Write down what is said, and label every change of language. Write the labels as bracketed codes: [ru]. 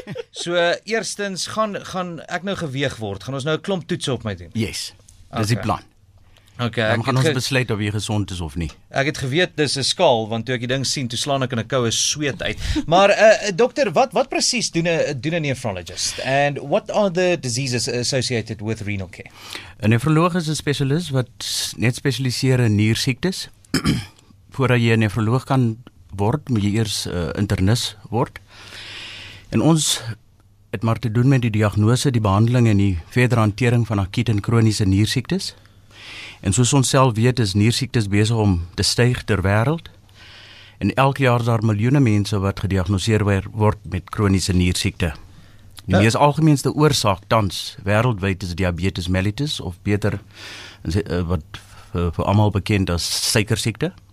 [af] So, eerstens gaan ek nou geweeg word. Gaan ons nou 'n klomp toetse op my doen? Yes. Okay. Dis die plan. Okay, dan gaan ons besluit of jy gesond is of nie. Ek het geweet dis 'n skaal want toe ek die ding sien, toe slaan ek in 'n koue sweet uit. Maar dokter, wat presies doen 'n nephrologist? [en] And what are the diseases associated with renal care? [af] 'N nephroloog is 'n spesialist wat net spesialiseer in niersiektes. Voordat jy 'n nephroloog kan word, moet jy eers 'n internis word. En ons het maar te doen met die diagnose, die behandeling en die verdere hantering van akute en kroniese niersiektes. En soos ons self weet, is niersiektes besig om te styg ter wêreld. En elke jaar is daar miljoene mense wat gediagnoseer word met kroniese niersiekte. Die mees algemeenste oorsaak tans wêreldwyd is diabetes mellitus of beter wat vir almal bekend as suikersiekte.